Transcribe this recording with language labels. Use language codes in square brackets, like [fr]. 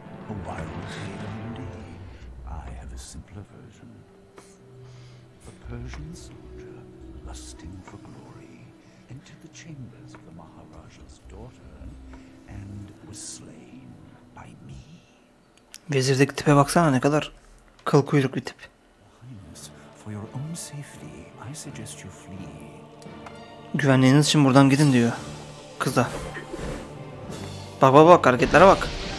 [en] A wild scene indeed. I have a simpler version. A Persian soldier, lusting for glory, entered the chambers of the Maharaja's daughter and was slain by me. [tr] Vezirdeki tipe baksana ne kadar kıl kuyruk bir tip. [en] For your own safety, I suggest you flee. [tr] Güvenliğiniz için buradan gidin diyor kıza. Bak bak bak, hareketlere bak.